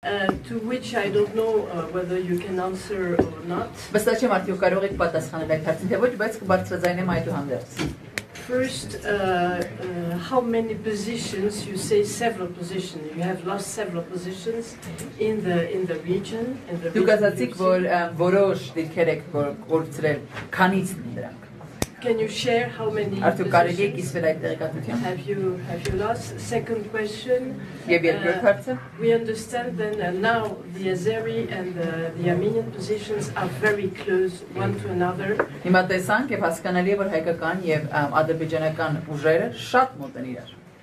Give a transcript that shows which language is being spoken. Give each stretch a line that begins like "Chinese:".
English: To which I don't know whether you can answer or not.
Armenian: Բստաչեմ արդյոք կարող եք պատասխանել այդ հարցին, թե ոչ, բայց կբարձրաձայնեմ այդուհանդերձ.
English: First, how many positions? You say several positions. You have lost several positions in the region.
Armenian: Դուք գիտեք, որ որոշ դիրքեր եք կորցրել, քանից դրանք?
English: Can you share how many positions have you lost? Second question. We understand then now the Azeri and the Armenian positions are very close one to another.
Armenian: Հիմա տեսանք եւ հասկանալի է որ հայկական եւ ադրբեջանական ուժերը շատ մոտ են իրար.